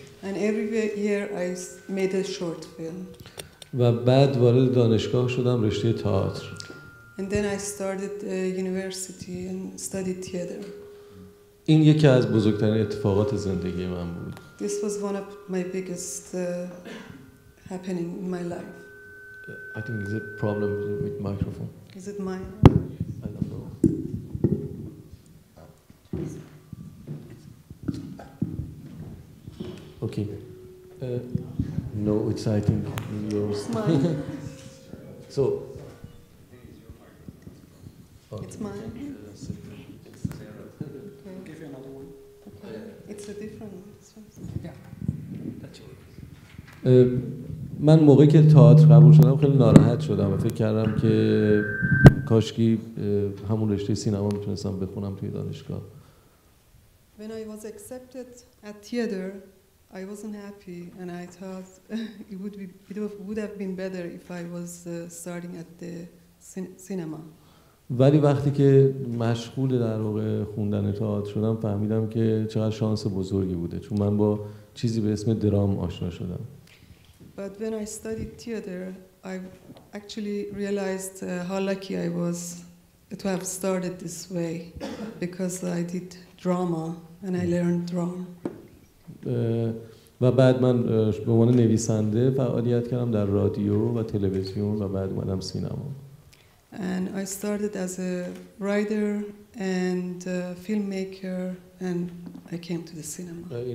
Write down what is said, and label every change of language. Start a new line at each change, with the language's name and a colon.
English: And every year I made a short film.
Persian: و بعد وارد دانشگاه شدم رشته تئاتر.
English: And then I started university and studied theater.
Persian: این یکی از بزرگترین اتفاقات زندگی من بود.
English: This was one of my biggest happening in my life. I think there's a problem with microphone. Is it mine? I don't know. Okay. No, it's I think yours. Mine. So. Okay. It's mine. It's Sarah. Give you another one. It's a different one. Yeah. That's yours.
Persian: من موقعی که تئاتر قبول شدم خیلی ناراحت شدم و فکر کردم که کاشکی همون رشته سینما میتونستم بخونم توی دانشگاه.
English: When I was accepted at theater, I wasn't happy, and I thought it would have been better if I was starting at the cinema.
Persian: ولی وقتی که مشغول در واقع خوندن تئاتر شدم فهمیدم که چقدر شانس بزرگی بوده چون من با چیزی به اسم درام آشنا شدم.
English: But when I studied theater, I actually realized how lucky I was to have started this way because I did drama and I learned drama.
Persian: و بعد من به عنوان نویسنده فعالیت کردم در رادیو و تلویزیون و بعد اومدم سینما.
English: And I started as a writer and a filmmaker, and I came to the cinema.